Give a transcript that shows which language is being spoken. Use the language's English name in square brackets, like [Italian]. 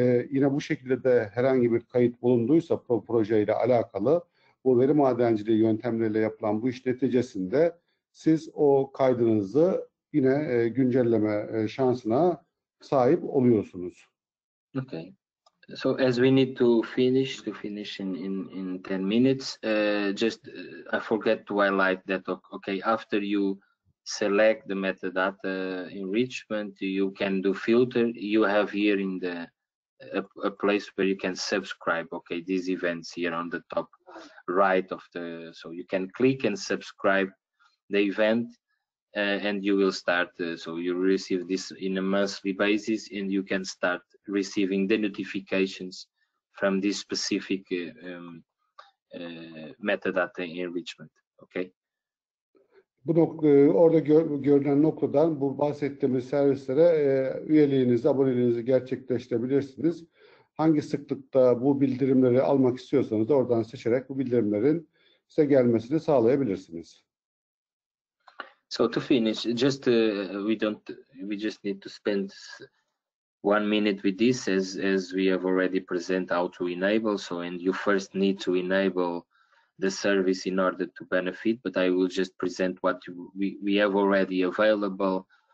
[Turkish] Yine bu şekilde de herhangi bir kayıt bulunduysa projeyle alakalı bu veri madenciliği yöntemleriyle yapılan bu iş neticesinde siz o kaydınızı yine güncelleme şansına sahip oluyorsunuz. [English] Okay. So as we need to finish in 10 minutes, I forget to highlight that okay, after you select the metadata enrichment, you can do filter. You have here in the a place where you can subscribe, okay, these events here on the top right of the, so you can click and subscribe the event and you will start, so you receive this in a monthly basis and you can start receiving the notifications from this specific metadata enrichment, okay? [Turkish] Bu nokta, orada görünen noktadan bu bahsettiğimiz servislere üyeliğinizi, aboneliğinizi gerçekleştirebilirsiniz. Hangi sıklıkta bu bildirimleri almak istiyorsanız da oradan seçerek bu bildirimlerin size gelmesini sağlayabilirsiniz. [English] So to finish, just we just need to spend 1 minute with this as we have already present how to enable. So, and you first need to enable the service in order to benefit, but I will just present what we have already available.